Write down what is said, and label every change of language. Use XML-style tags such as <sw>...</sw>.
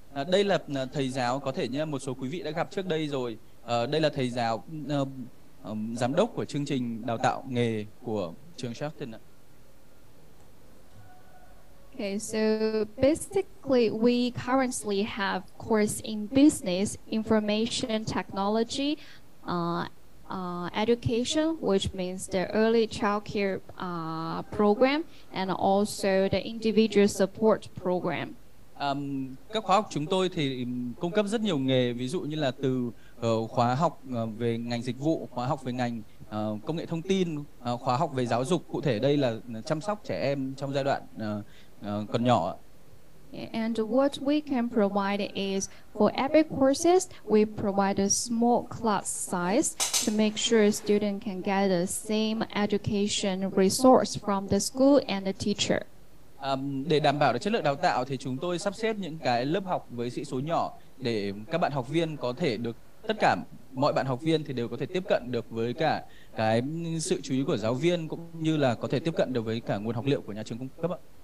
<vi>Đây là thầy giáo, có thể như một số quý vị đã gặp trước đây rồi. Đây là thầy giáo giám đốc của chương trình đào tạo nghề của trường Sheffield ạ.</vi> <en>Okay, so basically we currently have course in business, information technology, education, which means the early childcare program, and also the individual support program.</en> <vi>Các khóa học chúng tôi thì cung cấp rất nhiều nghề, ví dụ như là từ khóa học về ngành dịch vụ, khóa học về ngành công nghệ thông tin, khóa học về giáo dục, cụ thể đây là chăm sóc trẻ em trong giai đoạn còn nhỏ.</vi> <en>And what we can provide is for every courses we provide a small class size to make sure student can get the same education resource from the school and the teacher.</en> <vi>Để đảm bảo được chất lượng đào tạo thì chúng tôi sắp xếp những cái lớp học với sĩ số nhỏ để các bạn học viên có thể được tất cả mọi bạn học viên thì đều có thể tiếp cận được với cả cái sự chú ý của giáo viên cũng như là có thể tiếp cận được với cả nguồn học liệu của nhà trường cung cấp ạ.</vi>